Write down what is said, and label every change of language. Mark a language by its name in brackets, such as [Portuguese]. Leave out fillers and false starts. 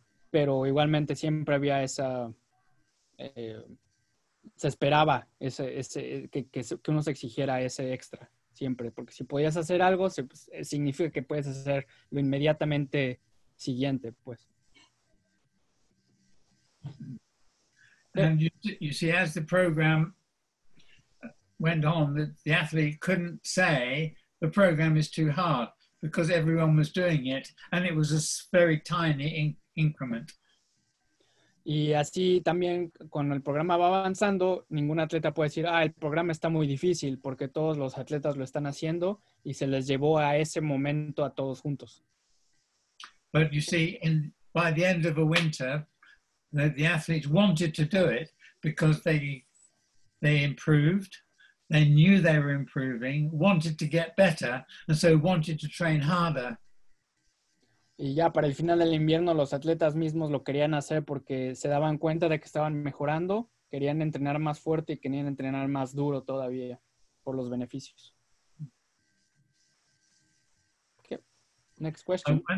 [Spanish] Pero igualmente siempre había esa... se esperaba que uno se exigiera ese extra. siempre, porque si podías hacer algo, significa que puedes hacer lo inmediatamente siguiente, pues. [English] And you see, as the program went on, the athlete couldn't say the program is too hard because everyone was doing it and it was a very tiny increment. [Spanish] Y así también, cuando el programa va avanzando, ningún atleta puede decir, el programa está muy difícil, porque todos los atletas lo están haciendo y se les llevó a ese momento a todos juntos. [English] But you see, by the end of the winter, the athletes wanted to do it because they improved, they knew they were improving, wanted to get better, and so wanted to train harder. [Spanish] Y ya para el final del invierno los atletas mismos lo querían hacer porque se daban cuenta de que estaban mejorando, querían entrenar más fuerte y querían entrenar más duro todavía por los beneficios. [English] Okay. Next question.